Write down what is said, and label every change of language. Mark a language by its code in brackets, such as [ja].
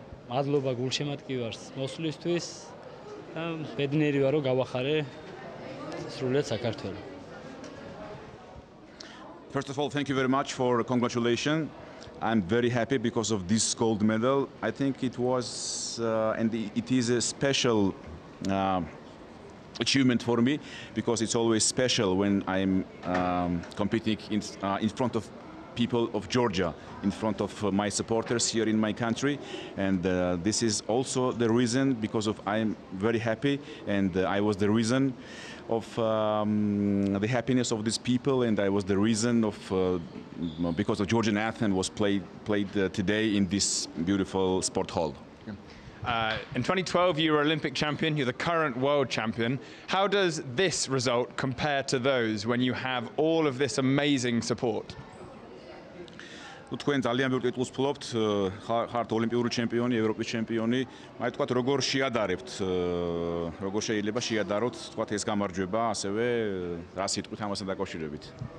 [ka] Madloba gulshematkivars, moslistvis და ბედნიერი ვარო გავახარე სრულად საქართველო. [en] First of all, thank you very much for the congratulation. I'm very happy because of this gold medal. I think it was and it is a special achievement for me because it's always special when I'm competing in front of people of Georgia, in front of my supporters here in my country. And this is also the reason because of I'm very happy and I was the reason of the happiness of these people, and I was the reason of because of Georgian anthem was played today in this beautiful sport hall. In 2012 you were Olympic champion, you're the current world champion. How does this result compare to those when you have all of this amazing support? [ka] თქვენ ძალიან ბევრ ტიტულს ფლობთ, ხართ ოლიმპიური ჩემპიონი, ევროპის ჩემპიონი. აი თქვათ, როგორ შეადარებთ, როგორ შეიძლება შეადაროთ თქვათ ეს გამარჯვება, ასევე რა სიტყვით ამასთან დაკავშირებით?